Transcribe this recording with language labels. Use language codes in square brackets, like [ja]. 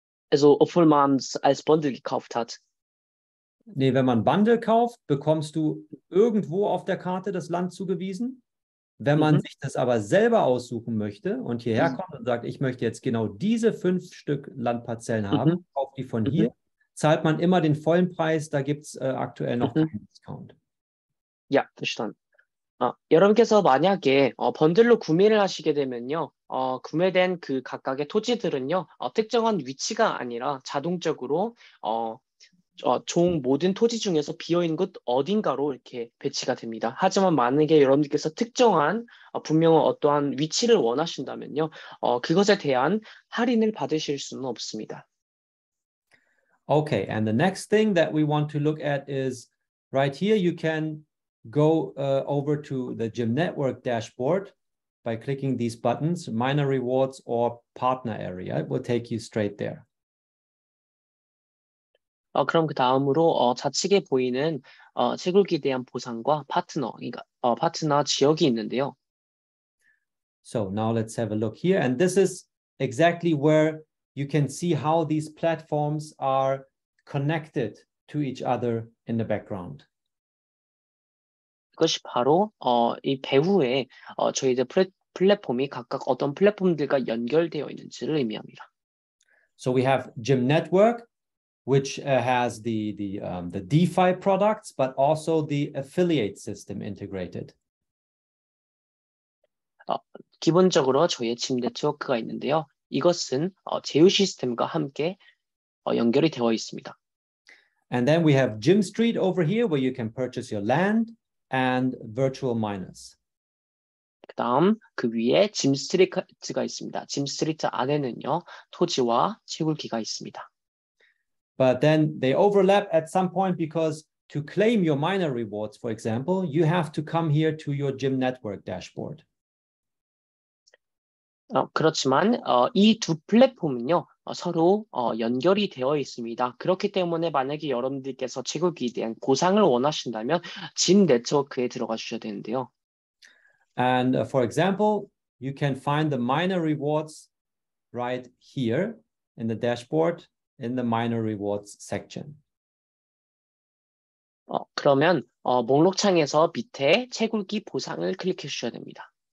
[de] Also, obwohl man es als Bundle gekauft hat. Nee, wenn man Bundle kauft, bekommst du irgendwo auf der Karte das Land zugewiesen. Wenn man sich das aber selber aussuchen möchte und hierher kommt und sagt, ich möchte jetzt genau diese 5 Stück Landparzellen haben, kauft die von hier, zahlt man immer den vollen Preis, da gibt es aktuell noch keinen Discount. Ja, verstanden. [ko] 여러분께서 만약에 번들로 구매를 하시게 되면요, 구매된 그 각각의 토지들은요, 특정한 위치가 아니라 자동적으로 총 모든 토지 중에서 비어있는 곳 어딘가로 이렇게 배치가 됩니다. 하지만 만약에 여러분들께서 특정한 분명한 어떠한 위치를 원하신다면요, 그것에 대한 할인을 받으실 수는 없습니다. [en] Okay, and the next thing that we want to look at is right here you can go over to the Gym Network dashboard by clicking these buttons, Miner Rewards or Partner Area. It will take you straight there. [ko] 그럼 그 다음으로 좌측에 보이는 채굴기에 대한 보상과 파트너, 그러니까 파트너 지역이 있는데요. [en] So now let's have a look here. And this is exactly where you can see how these platforms are connected to each other in the background. [ko] 이것이 바로 이 배후에 저희들 플랫폼이 각각 어떤 플랫폼들과 연결되어 있는지를 의미합니다. [en] So we have Gym Network, which has the DeFi products, but also the affiliate system integrated. [ko] 기본적으로 저희의 Gym Network가 있는데요. 이것은 제휴 시스템과 함께 연결이 되어 있습니다. [en] And then we have Gym Street over here, where you can purchase your land and virtual miners. [ko] 그다음 그 위에 Gym Street가 있습니다. Gym Street 안에는요 토지와 채굴기가 있습니다. [en] But then they overlap at some point because to claim your miner rewards, for example, you have to come here to your Gym Network dashboard. [ko] 그렇지만 이 두 플랫폼은요 서로 연결이 되어 있습니다. 그렇기 때문에 만약에 여러분들께서 채굴기에 대한 보상을 원하신다면 Gym 네트워크에 들어가 주셔야 되는데요. [en] And for example, you can find the miner rewards right here in the dashboard in the miner rewards section. [ko] 그러면 목록창에서 밑에 채굴기 보상을 클릭해 주셔야 됩니다.